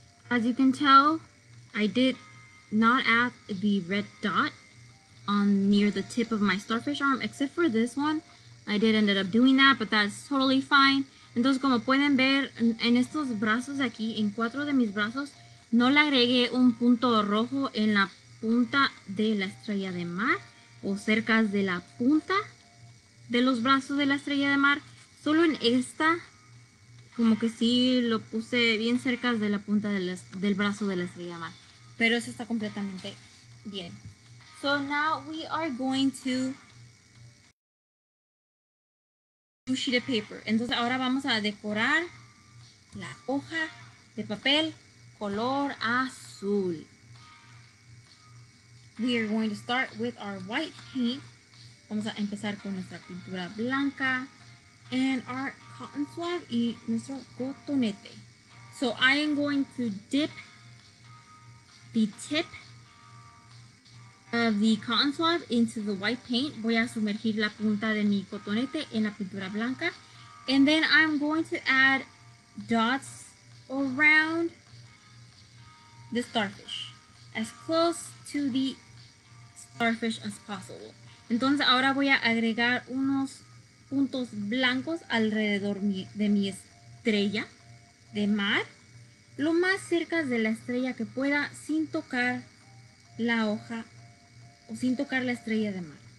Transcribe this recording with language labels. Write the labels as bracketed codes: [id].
[en] As you can tell, I did not add the red dot on near the tip of my starfish arm, except for this one. I did end up doing that, but that's totally fine. [es] Entonces, como pueden ver, en estos brazos aquí, en cuatro de mis brazos, no le agregué un punto rojo en la punta de la estrella de mar. O cerca de la punta de los brazos de la estrella de mar. Solo en esta, como que sí lo puse bien cerca de la punta del brazo de la estrella de mar. Pero eso está completamente bien. [en] So now we are going to... sheet of paper. [es] Entonces ahora vamos a decorar la hoja de papel color azul. [en] We are going to start with our white paint. [es] Vamos a empezar con nuestra pintura blanca [en] and our cotton swab [es] y nuestro cotonete. [en] So I am going to dip the tip of the cotton swab into the white paint. [es] Voy a sumergir la punta de mi cotonete en la pintura blanca. [en] And then I'm going to add dots around the starfish, as close to the starfish as possible. [es] Entonces ahora voy a agregar unos puntos blancos alrededor de mi estrella de mar, lo más cerca de la estrella que pueda sin tocar la hoja o sin tocar la estrella de mar.